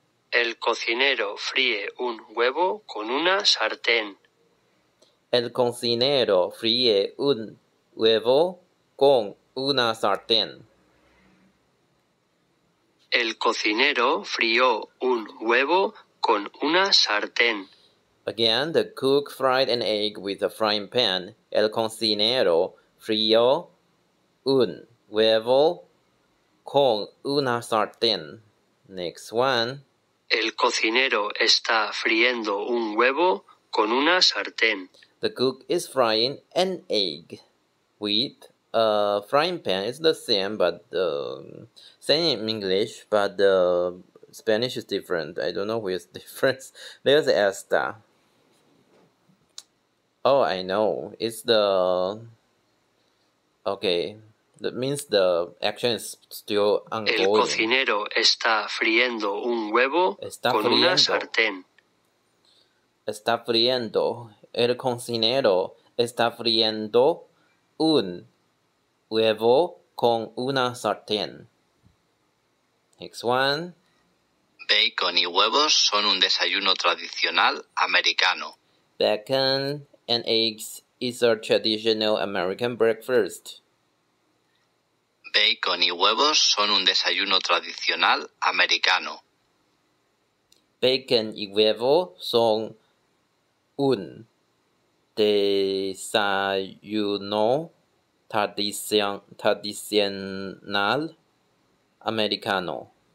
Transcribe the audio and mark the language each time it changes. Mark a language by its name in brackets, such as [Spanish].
[Spanish] El cocinero fríe un huevo con una sartén. El cocinero fríe un huevo con una sartén. El cocinero frió un huevo con una sartén. [English] Again, the cook fried an egg with a frying pan. [Spanish] El cocinero frió un huevo con una sartén. [English] Next one. [Spanish] El cocinero está friendo un huevo con una sartén. [English] The cook is frying an egg with a frying pan. It's the same, but same in English, but the Spanish is different. I don't know where's the difference. There's esta. Oh, I know. It's the... Okay. That means the action is still ongoing. [Spanish] El cocinero está friendo un huevo está con friendo. Una sartén. Está friendo. El cocinero está friendo un huevo con una sartén. [English] Next one. [Spanish] Bacon y huevos son un desayuno tradicional americano. [English] Bacon and eggs is a traditional American breakfast. [Spanish] Bacon y huevos son un desayuno tradicional americano. Bacon y huevo son un desayuno tradicional americano.